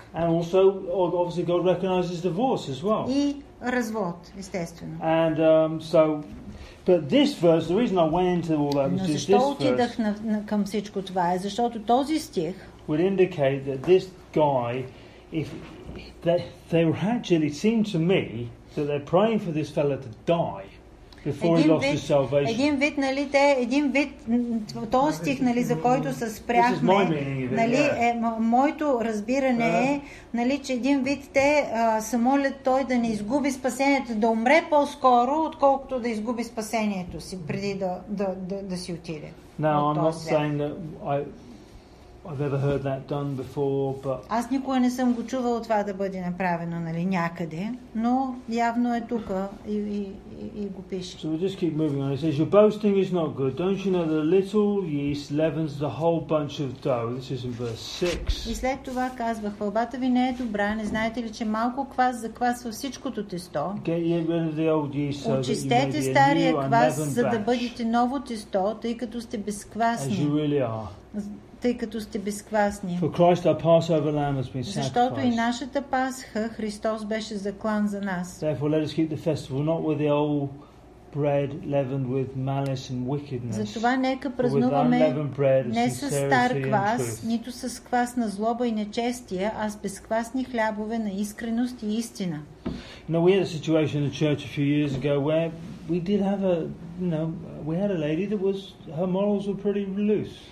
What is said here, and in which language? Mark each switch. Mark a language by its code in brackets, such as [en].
[en] And also obviously God recognizes divorce as well. [bg] И развод, естествено. [en] And so, but this verse, the reason I went into all that was just this verse. [bg] Към всичко това е, защото този стих [en] would indicate that this guy, if they were actually, it seemed to me that they're praying for this fellow to die before he lost his salvation. [bg] Един вид, нали, те, един вид, този стих, нали, за който се спряхме, нали, е моето разбиране е, нали, че един вид те се молят той да не изгуби спасението, да умре по-скоро, отколкото да изгуби спасението си преди да си отиде. [en] Now, I'm not saying that I've ever heard that done before, but [bg] аз никога не съм го чувала това да бъде направено, нали, някъде, но явно е тука и го пише. [en] So we just keep moving on. It says your boasting is not good. Don't you know that a little yeast leavens the whole bunch of dough? This is in verse 6. [bg] И след това казва: хвалбата ви не е добра, не знаете ли, че малко квас заквасва всичкото тесто? [en] Get rid of the old yeast so [bg] очистете стария квас, за да бъдете ново тесто, тъй като сте безквасни. [en] As you really are. [bg] Тъй като сте безквасни. [en] For Christ, our Passover lamb has been sacrificed. [bg] Защото и нашата Пасха Христос беше заклан за нас. [en] Therefore, let us keep the festival not with the old bread leavened with malice and wickedness. [bg] Затова нека празнуваме не с стар квас, нито с квас на злоба и нечестие, а с безквасни хлябове на искреност и истина. [en] Now we had a situation in the church a few years ago where we did have a lady that was her morals were pretty loose.